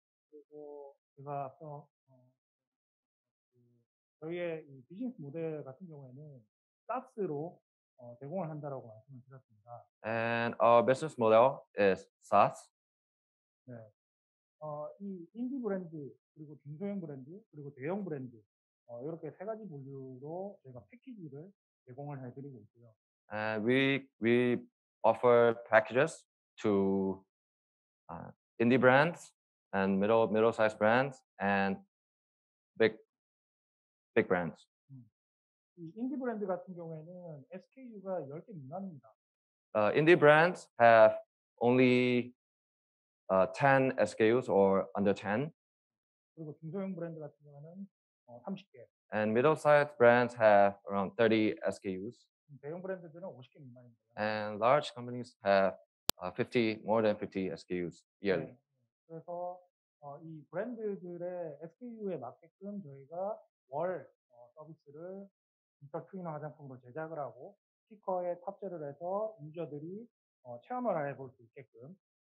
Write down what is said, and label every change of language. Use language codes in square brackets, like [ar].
[ko] 그리고 제가 앞서 저희의 이 비즈니스 모델 같은 경우에는 SaaS로 제공을 한다라고 말씀을 드렸습니다. [en] And our business model is SaaS. [ko] 네, 이 인디 브랜드, 그리고 중소형 브랜드, 그리고 대형 브랜드, 이렇게 세 가지 분류로 저희가 패키지를 제공을 해드리고 있고요. [en] And we offer packages to indie brands and middle size brands and big brands. [ko] 이 인디 브랜드 같은 경우에는 SKU가 10개 미만입니다. [en] Indie brands have only 10 SKUs or under 10. [ko] 그리고 중소형 브랜드 같은 경우는 30개. [en] And middle-sized brands have around 30 SKUs. [ko] 대형 브랜드들은 50개 미만입니다. [en] And large companies have 50 more than 50 SKUs yearly. [ko] 네. 그래서 이 브랜드들의 SKU에 맞게끔 저희가 월 서비스를 디지털 트위너 화장품으로 제작을 하고 스티커에 탑재를 해서 유저들이 체험을 해볼 수 있게끔.